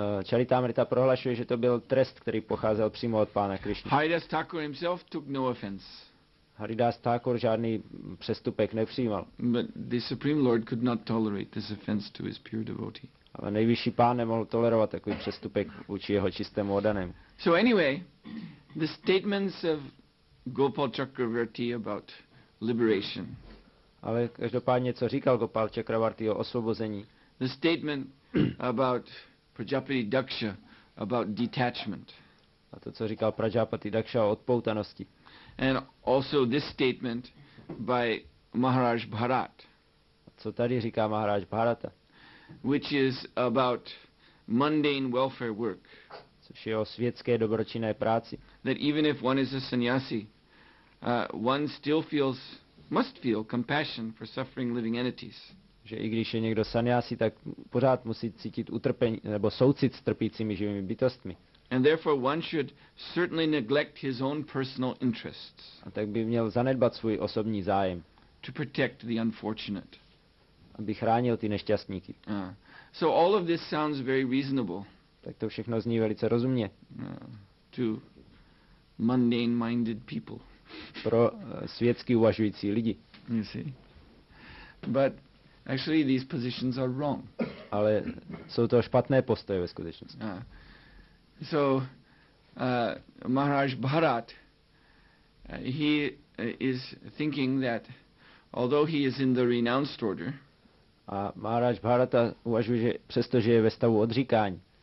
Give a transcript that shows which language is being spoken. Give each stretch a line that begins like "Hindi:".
Czech: Charitamrita prohlašuje, že to byl trest, který pocházel přímo od pána Krishna.
English: Haridas Thakur himself took no offense.
Czech: Haridas Thakur žádný přestupek nepřijímal.
English: But the Supreme Lord could not tolerate this offense to his pure devotee.
Czech: Ale nejvyšší pán nemohl tolerovat takový přestupek vůči jeho čistému oddanému.
English: So anyway, the statements of Gopal Chakravarti about liberation.
Czech: Ale každopádně, co říkal Gopal Chakravarti o osvobození.
English: The statement about Prajapati Daksha about detachment.
Czech: A to, co říkal Prajapati Daksha o odpoutanosti.
English: And also this statement by Maharaj Bharat.
Czech: A co tady říká Maharaj Bharata?
English: Which is about mundane welfare work.
Czech: Což je o světské dobročinné práci.
English: That even if one is a sannyasi, one still feels, must feel compassion for suffering living entities.
Czech: Že i když je někdo sannyasi, tak pořád musí cítit utrpení nebo soucit s trpícími živými bytostmi.
English: And therefore one should certainly neglect his own personal interests.
Czech: A tak by měl zanedbat svůj osobní zájem.
English: To protect the unfortunate.
Czech: Aby chránil ty nešťastníky.
English: So all of this sounds very reasonable.
Czech: Tak to všechno zní velice rozumně.
English: To mundane minded people.
Czech: Pro světsky uvažující lidi.
English: You see. But actually these positions are wrong.
Czech: Ale jsou to špatné postoje ve skutečnosti.
English: So Maharaj Bharat, he is thinking that although he is in the renounced order,
Czech: a Maharaj Bharata uvažuje, že přestože je ve stavu odříkání.